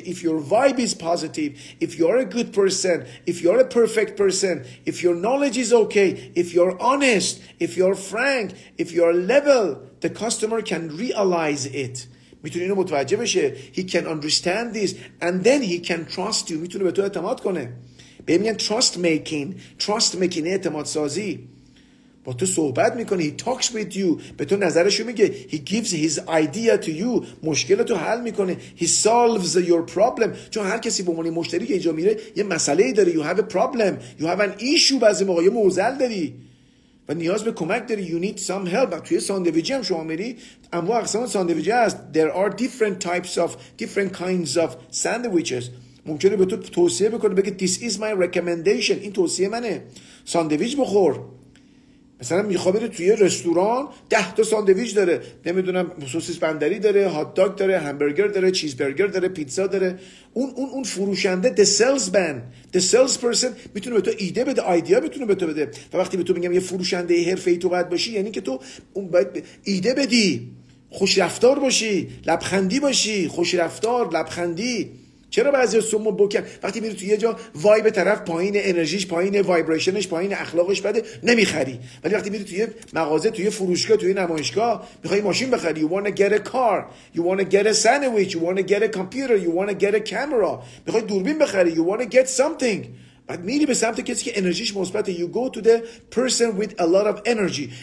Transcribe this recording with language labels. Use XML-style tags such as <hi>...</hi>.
<en>If your vibe is positive, if you are a good person, if you are a perfect person, if your knowledge is okay, if you are honest, if you are frank, if you are level, the customer can realize it.</en> <fa>میتونه اینو متوجه بشه.</fa> <en>He can understand this and then he can trust you.</en> <fa>میتونه به تو اعتماد کنه. به میگن</fa> <en>trust making</en> <fa>اعتماد سازی. با تو صحبت میکنه.</fa> <en>He talks with you.</en> <fa>به تو نظرشو میگه.</fa> <en>He gives his idea to you.</en> <fa>مشکلتو حل میکنه.</fa> <en>He solves your problem.</en> <fa>چون هر کسی به عنوان مشتری که اینجا میره یه مسئله داره.</fa> <en>You have a problem. You have an issue.</en> <fa>بعضی موقع یه معضل داری و نیاز به کمک داری.</fa> <en>You need some help.</en> <fa>توی ساندویجی هم شما میری، اما اقسام ساندویجی هست.</fa> <en>There are different types of, different kinds of sandwiches.</en> <fa>ممکنه به تو توصیه بکنه، بگه</fa> <en>This is my recommendation.</en> <fa>این توصیه منه. ساندویج بخور. مثلا میخوای بری توی رستوران، 10 تا ساندویچ داره، نمیدونم سوسیس بندری داره، هات داگ داره، همبرگر داره، چیز برگر داره، پیتزا داره. اون فروشنده،</fa> <en>the sales person</en> <fa>میتونه به تو ایده بده، ایده میتونه به تو بده. و وقتی به تو میگم یه فروشنده حرفه‌ای تو باید باشی، یعنی که تو اون باید ایده بدی، خوش رفتار باشی، لبخندی باشی، خوش رفتار، لبخندی. چرا بعضی سمو بوکن وقتی میره تو یه جا وایب طرف پایینه، انرژیش پایینه، وایبریشنش پایینه، اخلاقش بده، نمیخری. ولی وقتی میره تو یه مغازه، تو یه فروشگاه، تو یه نمایشگاه، میخوای ماشین بخری.</fa> <en>You wanna get a car. You wanna get a sandwich. You wanna get a computer. You wanna get a camera.</en> <fa>میخوای دوربین بخری.</fa> <en>You wanna get something.</en> <fa>بعد میری به سمت کسی که انرژیش مثبته.</fa> <en>You go to the person with a lot of energy.</en>